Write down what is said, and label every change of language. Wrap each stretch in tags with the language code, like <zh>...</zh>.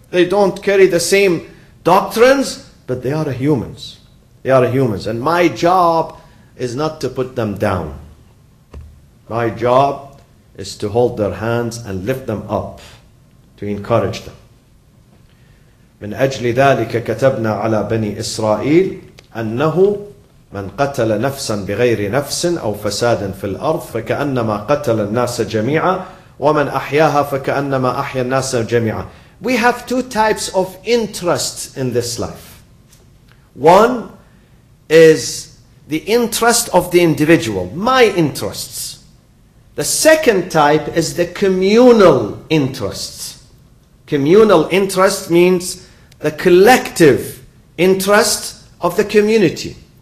<en>They don't carry the same doctrines. But they are humans. They are humans. And my job is not to put them down. My job is to hold their hands and lift them up, to encourage them.</en> <ar>من أجل ذلك كتبنا على بني إسرائيل أنه من قتل نفسا بغير نفس أو فساد في الأرض فكأنما قتل الناس جميعا ومن أحياها فكأنما أحيا الناس جميعا.</ar> <en>We have two types of interest in this life. One is the interest of the individual, my interests. The second type is the communal interests. Communal interest means the collective interest of the community.</en>